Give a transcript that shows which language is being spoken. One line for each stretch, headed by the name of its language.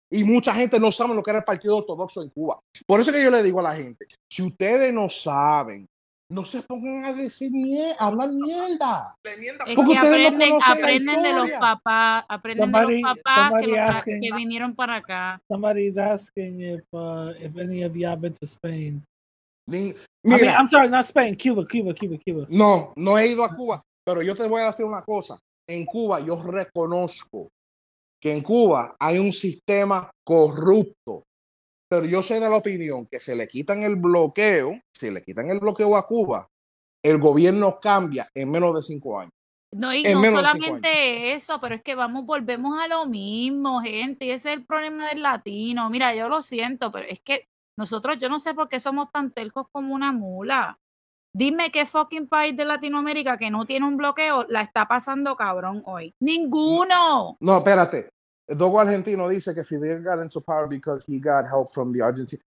Spanish: Y mucha gente no sabe lo que era el Partido Ortodoxo en Cuba. Por eso que yo le digo a la gente, si ustedes no saben, no se pongan a decir mierda, a hablar mierda. Porque ustedes aprenden de los papás, que vinieron para acá.
English: Somebody's asking if any of y'all been to Spain. I'm sorry, not Spain, Cuba.
Spanish: No he ido a Cuba, pero yo te voy a decir una cosa. En Cuba yo reconozco que en Cuba hay un sistema corrupto, pero yo soy de la opinión que se le quitan el bloqueo a Cuba, el gobierno cambia en menos de 5 años. No, y no solamente eso, pero es que volvemos a lo mismo, gente, y ese es el problema del latino. Mira, yo lo siento, pero es que nosotros, yo no sé por qué somos tan tercos como una mula. Dime qué fucking país de Latinoamérica que no tiene un bloqueo la está pasando cabrón hoy. ¡Ninguno! No, espérate.
English: Dogo Argentino
Spanish: dice que
English: Fidel got into power because he got help from the Argentine.